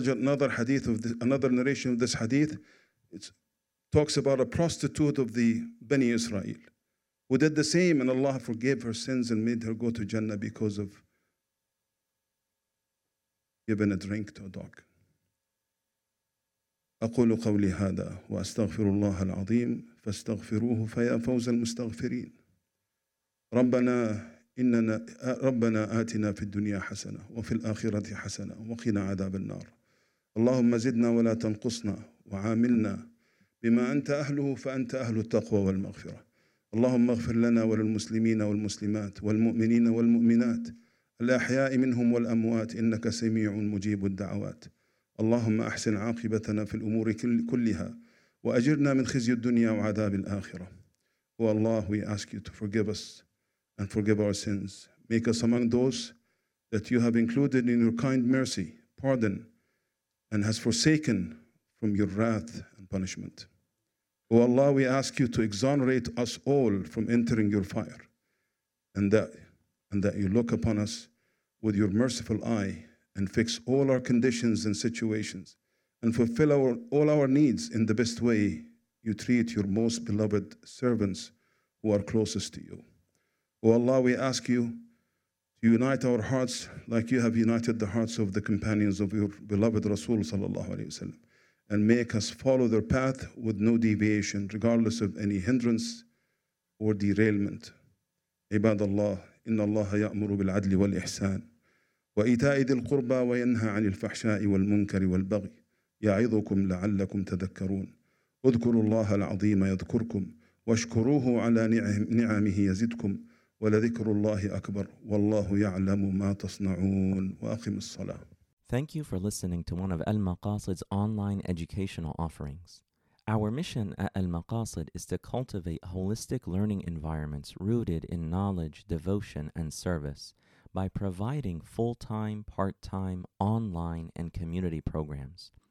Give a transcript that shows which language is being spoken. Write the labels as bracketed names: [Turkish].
[English] Another narration of this hadith, it talks about a prostitute of the Bani Israel who did the same, and Allah forgave her sins and made her go to Jannah because of giving a drink to a dog. [Arabic] أقول قولي هذا وأستغفر الله العظيم فاستغفروه فيا فوز المستغفرين ربنا آتنا في الدنيا حسنة وفي الآخرة حسنة وقنا عذاب النار اللهم زدنا ولا تنقصنا وعاملنا بما أنت أهله فأنت أهل التقوى والمغفرة اللهم اغفر لنا وللمسلمين والمسلمات والمؤمنين والمؤمنات الأحياء منهم والأموات إنك سميع مجيب الدعوات اللهم أحسن عاقبتنا في الأمور كلها وأجرنا من خزي الدنيا وعذاب الآخرة. [English] O Allah, we ask you to forgive us and forgive our sins. Make us among those that you have included in your kind mercy, pardon, and has forsaken from your wrath and punishment. O Allah, we ask you to exonerate us all from entering your fire and that you look upon us with your merciful eye and fix all our conditions and situations, and fulfill all our needs in the best way you treat your most beloved servants who are closest to you. O Allah, we ask you to unite our hearts like you have united the hearts of the companions of your beloved Rasul sallallahu alayhi wa sallam, and make us follow their path with no deviation, regardless of any hindrance or derailment. [Arabic] Ibad Allah, inna Allah ya'muru bil adli wal ihsan. وإيتاء ذي القربى وينهى عن الفحشاء والمنكر والبغي يعظكم لعلكم تذكرون اذكروا الله العظيم يذكركم واشكروه على نعمه يزدكم ولذكر الله أكبر والله يعلم ما تصنعون وأقم الصلاة. [English] Thank you for listening to one of Al Maqasid's online educational offerings. Our mission at Al Maqasid is to cultivate holistic learning environments rooted in knowledge, devotion, and service by providing full-time, part-time, online, and community programs.